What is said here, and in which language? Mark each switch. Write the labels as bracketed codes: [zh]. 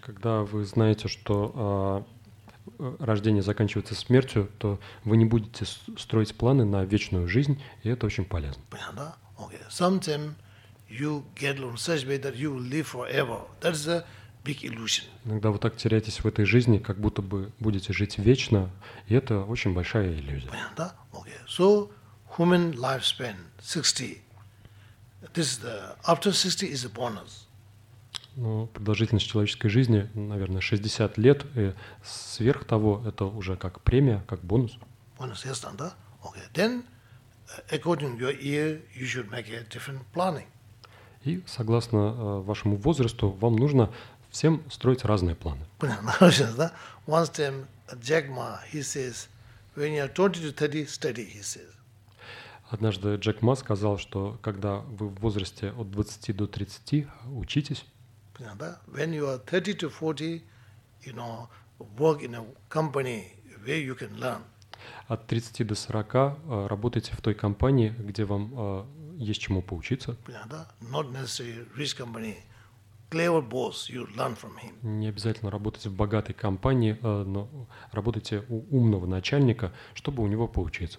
[ru] Когда вы знаете, что рождение заканчивается смертью, то вы не будете строить планы на вечную жизнь, и это очень полезно. Понятно? Okay. [en] Sometimes you get on such way that you will live forever. That's a big illusion. [ru] Иногда вы так теряетесь в этой жизни, как будто бы будете жить вечно, и это очень большая иллюзия. [en] Понятно? Okay. So human lifespan 60. This is the after 60 is a bonus. [ru] Ну, продолжительность человеческой жизни, наверное, 60 лет, и сверх того, это уже как премия, как бонус. Bonus, ясно, да? Okay. [en] Then, according to your year, you should make a different planning. [ru] И согласно вашему возрасту, вам нужно всем строить разные планы. Понятно, сейчас, да? [en] One time, Jack Ma, he says, when you're 20 to 30, study, he says. [ru] Однажды Джек Ма сказал, что когда вы в возрасте от 20 до 30, учитесь. [en] When you are 30 to 40, you know, work in a company where you can learn. [ru] От 30 до 40 работайте в той компании, где вам есть чему поучиться. [en] Понятно? Not necessarily rich company. Clever boss, you learn from him. [ru] Не обязательно работать в богатой компании, но работайте у умного начальника, чтобы у него поучиться.